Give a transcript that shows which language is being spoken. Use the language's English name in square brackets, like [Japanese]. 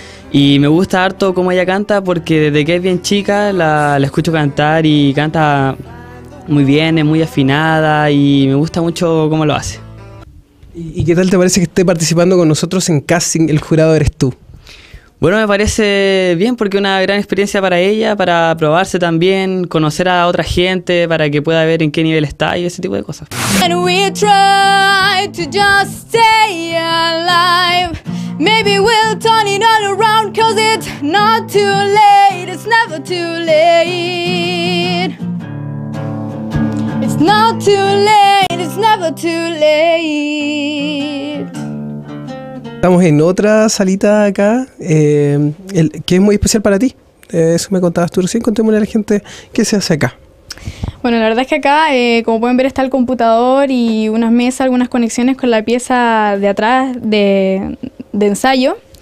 [Spanish] Y me gusta harto cómo ella canta porque desde que es bien chica la escucho cantar y canta muy bien, es muy afinada y me gusta mucho cómo lo hace. ¿Y qué tal te parece que esté participando con nosotros en casting? El jurado eres tú. Bueno, me parece bien porque es una gran experiencia para ella, para probarse también, conocer a otra gente, para que pueda ver en qué nivel está y ese tipo de cosas. [English] And we try to just stay alive. Maybe we'll turn it all around, cause it's not too late, it's never too late. It's not too late, it's never too late. [Spanish] Estamos en otra salita acá, que es muy especial para ti. Eso me contabas tú recién, contémosle a la gente qué se hace acá. Bueno, la verdad es que acá, como pueden ver, está el computador y unas mesas, algunas conexiones con la pieza de atrás de ensayo.